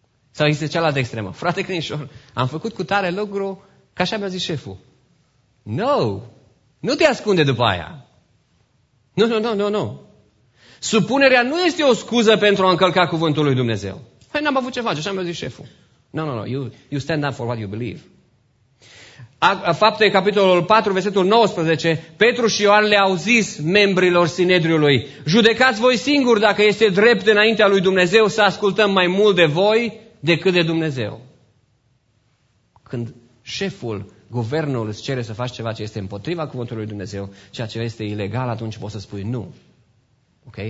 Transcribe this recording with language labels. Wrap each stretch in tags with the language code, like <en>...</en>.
<ro>Sau este cealaltă extremă? Frate Crinșor, am făcut cu tare lucru, ca așa mi-a zis șeful.</ro> <en>No!</en> <ro>Nu te ascunde după aia! Nu! Supunerea nu este o scuză pentru a încălca cuvântul lui Dumnezeu. Păi n-am avut ce face, așa mi-a zis șeful.</ro> <en>No, you stand up for what you believe.</en> <ro>Fapte, capitolul 4, versetul 19, Petru și Ioan le-au zis membrilor Sinedriului, judecați voi singuri dacă este drept înaintea lui Dumnezeu să ascultăm mai mult de voi decât de Dumnezeu. Când șeful, guvernul îți cere să faci ceva ce este împotriva cuvântului lui Dumnezeu, ceea ce este ilegal, atunci poți să spui nu. Ok?</ro>